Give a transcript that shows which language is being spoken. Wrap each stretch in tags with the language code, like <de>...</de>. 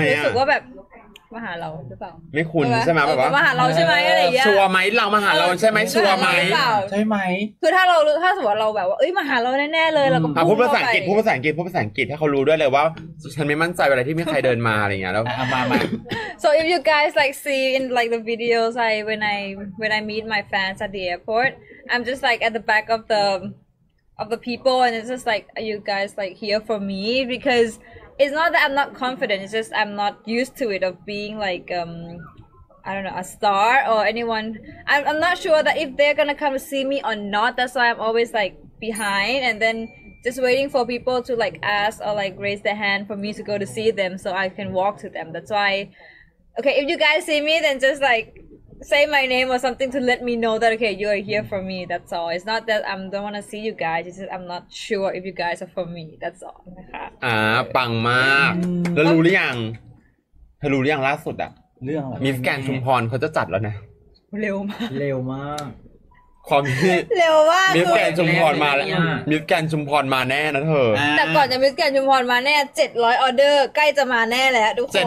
<th>นรู้สึกว่าแบบมาหาเราหรือเปล่า ไม่คุ้นใช่ไหมแบบว่าม าหาเราใช่ไหมอะไรอย่างเงี้ย ชัวร์ไหมเรามาหาเราใช่ไหมชัวร์ไหม ใช่ไหม คือถ้าสมมติเราแบบว่าเอ้ยมาหาเราแน่ๆเลยเราก็ พูดภาษาอังกฤษถ้าเขารู้ด้วยเลยว่าฉันไม่มั่นใจอะไรที่มีใครเดินมาอะไรอย่างเงี้ยแล้ว มา</th> <en>so if you guys like see in like the videos like when I meet my fans at the airport I'm just like at the back of the people and it's just like are you guys like here for me because it's not that I'm not confident it's just I'm not used to it of being like I don't know a star or anyone I'm not sure that if they're gonna come see me or not that's why I'm always like behind and thenjust waiting for people to like ask or like raise their hand for me to go to see them so I can walk to them that's why okay if you guys see me then just like say my name or something to let me know that okay you are here for me that's all it's not that I don't want to see you guys it's just I'm not sure if you guys are for me that's all</en> <th>ปังมากแล้วรู้หรือยังเธอรู้หรือยังล่าสุดอ่ะ เรื่องอะไร มีสแกนชุมพรเขาจะจัดแล้วนะ เร็วมาก เร็วมาก ความที่ เร็วมาก มิสแกนชุมพรมาแล้วมิสแกนชุมพรมาแน่นะเธอ แต่ก่อนจะมิสแกนชุมพรมาแน่700ออเดอร์ใกล้จะมาแน่แล้วทุกคน</th>